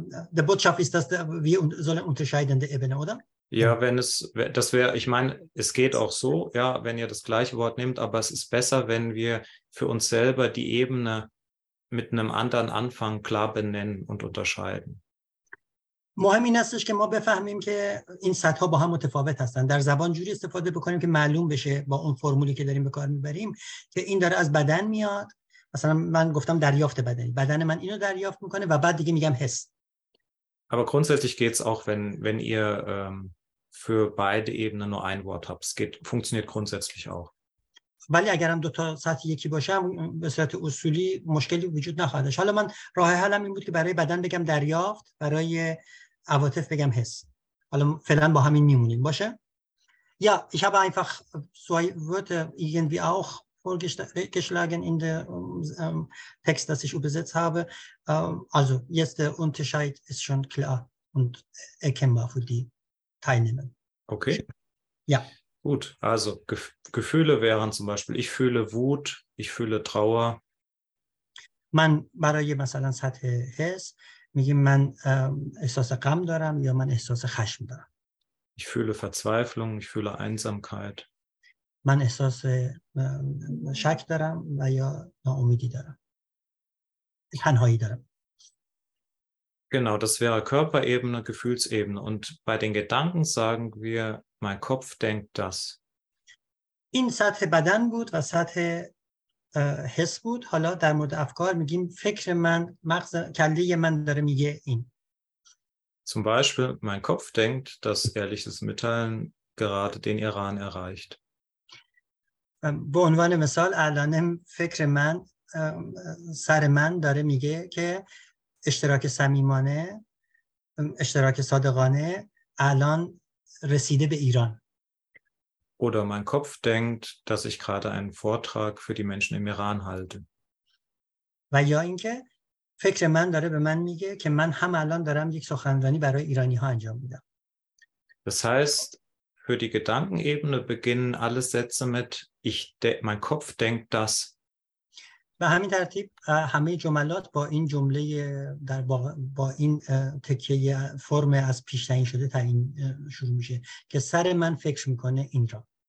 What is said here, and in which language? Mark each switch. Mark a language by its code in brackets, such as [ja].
[de] Die Botschaft ist, dass wir sollen unterscheidende Ebene, oder? Ja, wenn es, das wäre, ich meine, es geht auch so, ja, wenn ihr das gleiche Wort nehmt, aber es ist besser, wenn wir für uns selber die Ebene mit einem anderen Anfang klar benennen und unterscheiden. [fa] مهم این هستش که ما بفهمیم که این سطح‌ها با هم متفاوت هستند. در زبان جوری استفاده بکنیم که معلوم بشه با اون فرمولی که داریم به کار می‌بریم که این داره از بدن میاد. مثلا من گفتم دریافت بدنی. بدن من اینو دریافت می‌کنه و بعد دیگه میگم حس. [de] Aber grundsätzlich geht's auch, wenn ihr für beide Ebenen nur ein Wort habt. Es geht funktioniert grundsätzlich auch. [fa] ولی اگرم دو تا سطح یکی باشم به صورت اصولی مشکلی وجود نخواهد داشت. حالا من راه حلم این بود که برای بدن بگم دریافت، برای عواطف بگم حس. حالا فعلا با همین میمونیم، باشه؟ یا [de] ich habe einfach zwei Wörter irgendwie auch vorgeschlagen in dem Text, das ich übersetzt habe. Also jetzt der Unterschied ist schon klar und erkennbar für die Teilnehmer. Okay. Ja. Gut, also Gefühle wären zum Beispiel, ich fühle Wut, ich fühle Trauer. Man [fa] برای مثلا سطح حس میگم من احساس غم دارم یا من احساس خشم دارم. [de] Ich fühle Verzweiflung, ich fühle Einsamkeit. [fa] من احساس شک دارم و یا ناامیدی دارم. تنهایی دارم. [de] Genau, das wäre Körperebene, Gefühlsebene. Und bei den Gedanken sagen wir, mein Kopf denkt das. [fa] این سطح بدن بود و سطح حس بود. حالا در مورد افکار میگیم فکر من، مغز کلی من داره میگه این. [de] Zum Beispiel, mein Kopf denkt, dass ehrliches Mitteilen gerade den Iran erreicht. [fa] به عنوان مثال الان فکر من سر من داره میگه که اشتراک صمیمانه، اشتراک صادقانه الان رسیده به ایران. [de] Oder mein Kopf denkt, dass ich gerade einen Vortrag für die Menschen im Iran halte. [fa] و یا اینکه فکر من داره به من میگه که من هم الان دارم یک سخنرانی برای ایرانی ها انجام میدم. [de] Das heißt, für die Gedankenebene beginnen alle Sätze mit mein Kopf denkt das. [fa] به همین ترتیب همه جملات با این جمله در با این تکیه فرم از پیش تعیین شده تعیین شروع میشه که سر من فکر میکنه این را.